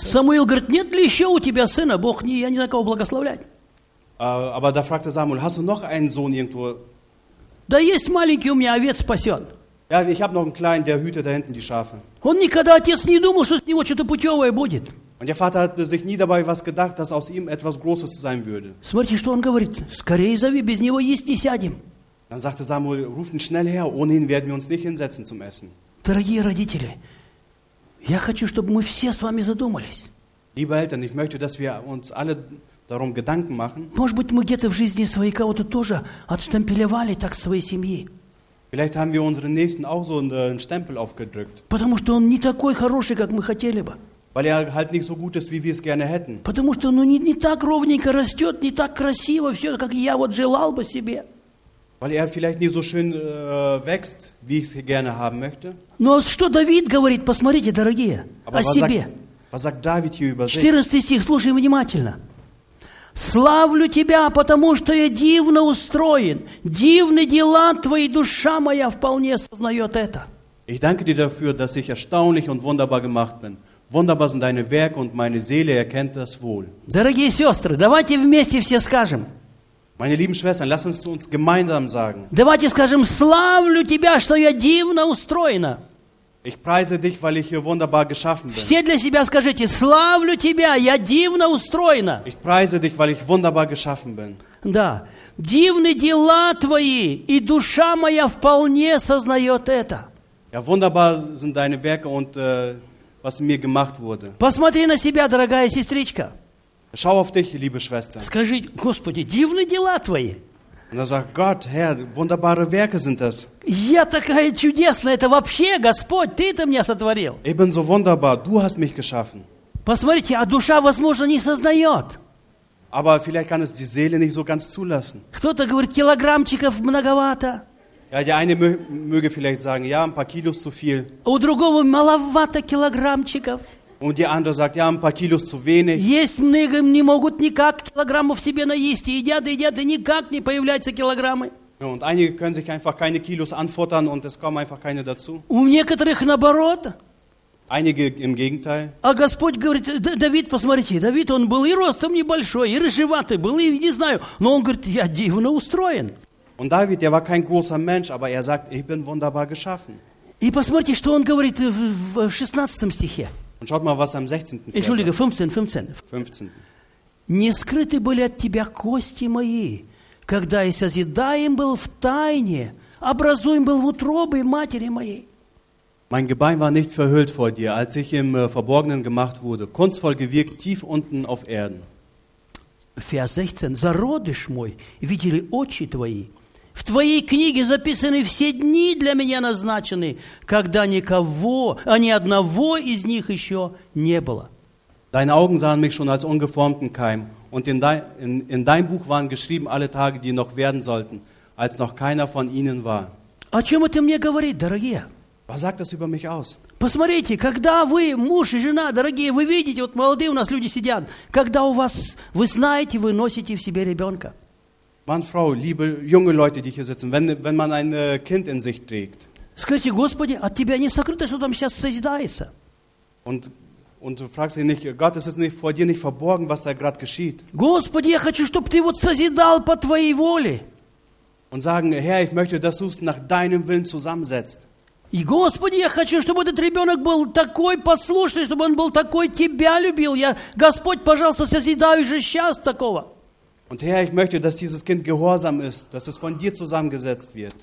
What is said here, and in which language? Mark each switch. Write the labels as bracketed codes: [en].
[ru] Самуил говорит, нет ли еще у тебя сына, Бог, не, я не знаю, кого благословлять. [de] Aber da fragte Samuel, hast du noch einen Sohn irgendwo? Da ist [ru] маленький у меня овец пасет. [de] Ja, ich habe noch einen kleinen, der hütet da hinten die Schafe. [ru] Он никогда отец не думал, что с него что-то путевое будет. [de] Und der Vater hatte sich nie dabei was gedacht, dass aus ihm etwas Großes sein würde. [ru] Смотрите, что он говорит. Скорее зови, без него есть не сядем. [de] Dann sagte Samuel, ruf ihn schnell her, ohne ihn werden wir uns nicht hinsetzen zum Essen. [ru] Дорогие родители, я хочу, чтобы мы все с вами задумались. [de] Liebe Eltern, ich möchte, dass wir uns alle darum Gedanken machen. [ru] Может быть, мы где-то в жизни своей кого-то тоже отштемпелевали так своей семьи. [de] Vielleicht haben wir unseren Nächsten auch so einen Stempel aufgedrückt. [ru] Потому что он не такой хороший, как мы хотели бы. [de] Weil halt nicht so gut ist, wie wir es gerne hätten. [ru] Потому что ну, не так ровненько растет, не так красиво все, как я вот желал бы себе. [de] Weil vielleicht nicht so schön wächst, wie ich es gerne haben möchte. [ru] Но что Давид говорит, посмотрите, дорогие, [de] Aber [ru] о себе. [de] Was sagt David hier über sich? [ru] 14 стих, слушай внимательно. Славлю тебя, потому что я дивно устроен. Дивны дела твои, душа моя вполне сознает это. [de] Ich danke dir dafür, dass ich erstaunlich und wunderbar gemacht bin. Wunderbar sind deine Werke und meine Seele erkennt das wohl. [ru] Дорогие сестры, давайте вместе все скажем. [de] Meine lieben Schwestern, lass uns gemeinsam sagen. [ru] Давайте скажем, славлю тебя, что я дивно устроена. [de] Ich preise dich, weil ich hier wunderbar geschaffen bin. [ru] Все для себя скажите, славлю тебя, я дивно устроена. [de] Ich preise dich, weil ich wunderbar geschaffen bin. [ru] Да, дивны дела твои, и душа моя вполне сознает это. [de] Ja, wunderbar sind deine Werke und was mir gemacht wurde. [ru] Посмотри на себя, дорогая сестричка. [de] Schau auf dich, liebe Schwester. [ru] Скажи, Господи, дивны дела твои. [de] Und er sagt, Gott, Herr, wunderbare Werke sind das. [ru] Я такая чудесная, это вообще, Господь, ты-то меня сотворил. [de] Ebenso wunderbar, du hast mich geschaffen. [ru] Посмотрите, а душа, возможно, не сознает. [de] Aber vielleicht kann es die Seele nicht so ganz zulassen. [ru] Кто-то говорит, килограммчиков многовато. [de] Ja, der eine möge vielleicht sagen, ja, ein paar Kilos zu viel. [ru] У другого маловато килограммчиков. [de] Und die andere sagt, ja, ein paar Kilos zu wenig. [ru] Есть многие, не могут никак килограммов себе наесть, едят, и никак не появляются килограммы. [de] Ja, und einige können sich einfach keine Kilos anfuttern und es kommen einfach keine dazu. [ru] У некоторых наоборот. [de] Einige im Gegenteil. [ru] А Господь говорит, Давид, посмотрите, Давид, он был и ростом небольшой, и рыжеватый был, и не знаю, но он говорит, я дивно устроен. [de] Und David, der war kein großer Mensch, aber er sagt, ich bin wunderbar geschaffen. [ru] И посмотрите, что он говорит в 16 стихе. [de] Und schaut mal, was am 16. Entschuldige, 15. [ru] Не скрыты были от тебя кости мои, когда я созидаем был в тайне, образуем был в утробе матери моей. [de] Mein Gebein war nicht verhüllt vor dir, als ich im Verborgenen gemacht wurde, kunstvoll gewirkt tief unten auf Erden. Vers 16. [ru] Зародыш мой видели очи твои. В твоей книге записаны все дни для меня назначены, когда никого, а ни одного из них еще не было. [de] Deine Augen sahen mich schon als ungeformten Keim, und in dein Buch waren geschrieben alle Tage, die noch werden sollten, als noch keiner von ihnen war. [ru] О чем это мне говорит, дорогие? [de] Was sagt das über mich aus? [ru] Посмотрите, когда вы, муж и жена, дорогие, вы видите, вот молодые у нас люди сидят, когда у вас, вы знаете, вы носите в себе ребенка. [de] Mann, Frau, liebe junge Leute, die hier sitzen, wenn man ein Kind in sich trägt. [ru] Скажите, Господи, от тебя не сокрыто, что там сейчас созидается. [de] Und du fragst ihn nicht, Gott, es ist nicht vor dir nicht verborgen, was da gerade geschieht. [ru] Господи, я хочу, чтобы ты вот созидал по твоей воле. [de] Und sagen, Herr, ich möchte, dass du es nach deinem Willen zusammensetzt. [ru] И Господи, я хочу, чтобы этот ребенок был такой послушный, чтобы он был такой тебя любил. Я, Господь, пожалуйста, созидаю же сейчас такого. [de] Und Herr, ich möchte, dass dieses Kind gehorsam ist, dass es von dir zusammengesetzt wird.